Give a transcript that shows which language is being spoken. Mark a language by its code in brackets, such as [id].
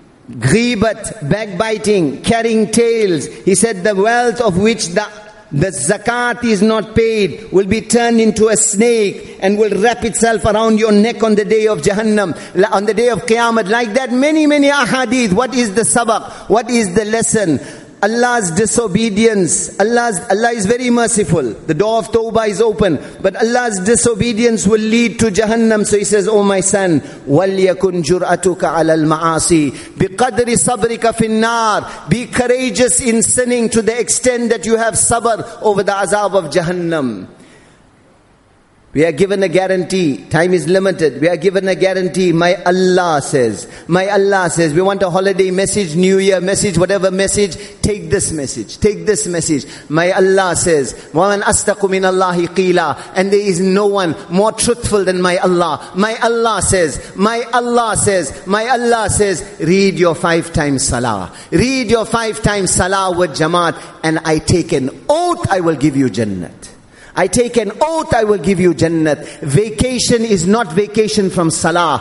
[en] Ghibat, backbiting, carrying tales. He said, the wealth of which the zakat is not paid will be turned into a snake and will wrap itself around your neck on the day of Jahannam, on the day of Qiyamah. Like that, many, many ahadith. What is the sabak? What is the lesson? Allah's disobedience. Allah is very merciful. The door of Tawbah is open. But Allah's disobedience will lead to Jahannam. So he says, oh my son, [ar] وَلْيَكُنْ جُرْأَتُكَ عَلَى الْمَعَاصِي بِقَدْرِ صَبْرِكَ فِي النَّارِ. [en] Be courageous in sinning to the extent that you have sabr over the azab of Jahannam. We are given a guarantee. Time is limited. We are given a guarantee. My Allah says, we want a holiday message, New Year message, whatever message. Take this message. My Allah says, [ar] وَمَنْ أَسْتَقُ مِنَ اللَّهِ قِيلًا. [en] And there is no one more truthful than my Allah. My Allah says, read your five times salah with Jamaat, and I take an oath I will give you Jannat. I take an oath I will give you Jannat. Vacation is not vacation from Salah.